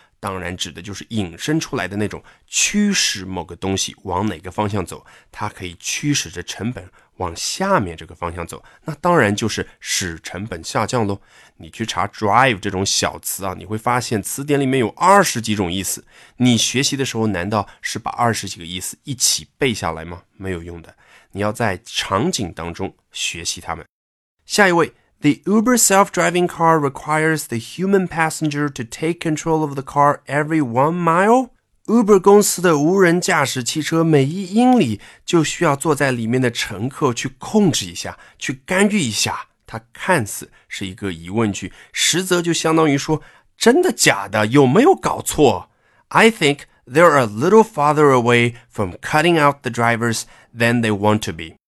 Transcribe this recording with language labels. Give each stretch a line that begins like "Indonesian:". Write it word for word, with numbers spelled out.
Chinese: 当然指的就是引申出来的那种驱使某个东西往哪个方向走，它可以驱使着成本往下面这个方向走，那当然就是使成本下降咯。你去查 drive 这种小词啊，你会发现词典里面有二十几种意思，你学习的时候难道是把二十几个意思一起背下来吗？没有用的，你要在场景当中学习它们。下一位，
English: The Uber self-driving car requires the human passenger to take control of the car every one mile.
Chinese: Uber 公司的无人驾驶汽车每一英里就需要坐在里面的乘客去控制一下，去干预一下。它看似是一个疑问句，实则就相当于说，真的假的？有没有搞错？
English: I think they're a little farther away from cutting out the drivers than they want to be.